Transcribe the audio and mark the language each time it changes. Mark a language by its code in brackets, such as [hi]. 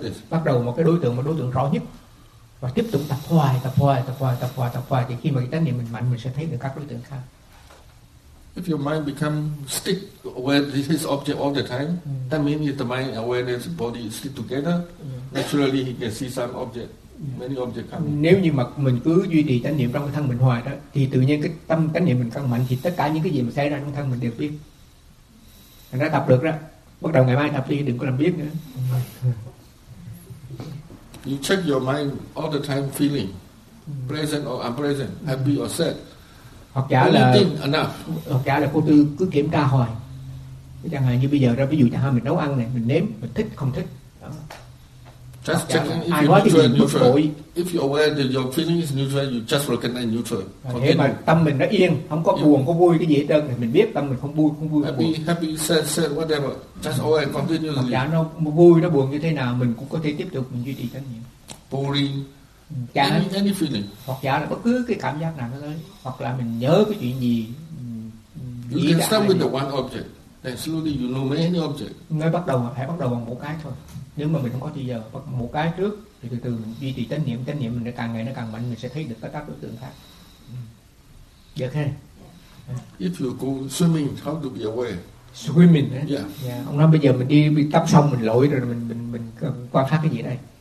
[vi] bắt đầu một cái đối tượng rõ nhất. Và tiếp tục tập hoài. Thì khi mà cái tánh niệm mình mạnh, mình sẽ thấy được các đối tượng khác. [en] If your mind become stick aware this object all the time, that means the mind awareness body stick together. Yeah. Naturally, he can see some object, many object coming. [vi] Nếu như mà mình cứ duy trì chánh niệm trong cái thân mình hoài đó, thì tự nhiên cái tâm chánh niệm mình căng mạnh, thì tất cả những cái gì mà xảy ra trong thân mình đều biết. Mình đã tập được đó. Bắt đầu ngày mai tập đi, đừng có làm biết nữa. [en] You check your mind all the time, feeling present or unpresent, happy or sad. [vi] Hoặc giả là cô Tư cứ kiểm tra hoài. Chẳng hạn như bây giờ ra, ví dụ chẳng hạn mình nấu ăn này, mình nếm, mình thích, không thích. [en] Just checking if you're neutral and neutral. If you're aware that your feeling is neutral, you just recognize neutral. [vi] Thế mà tâm mình nó yên, không có buồn, có vui cái gì hết trơn, thì mình biết tâm mình không vui. [en] Happy, sad, whatever. Just aware and continuously. [vi] Hoặc giả nó vui, nó buồn như thế nào, mình cũng có thể tiếp tục, mình duy trì trách nhiệm. [en] Boring. Any feeling. [vi] Hoặc giả là bất cứ cái cảm giác nào nó tới, hoặc là mình nhớ cái chuyện gì. [en] You can start with the one object, then slowly you know many object. [vi] Ngay bắt đầu hãy bắt đầu bằng một cái thôi. Nếu mà mình không có thì giờ bắt một cái trước, thì từ từ mình duy trì chánh niệm mình càng ngày nó càng mạnh, mình sẽ thấy được các đối tượng khác. Được không? [en] If you go swimming, how to be aware? Swimming. Yeah. Yeah. [vi] Ông nói bây giờ mình đi tắm xong mình lội rồi mình quan sát cái gì đây?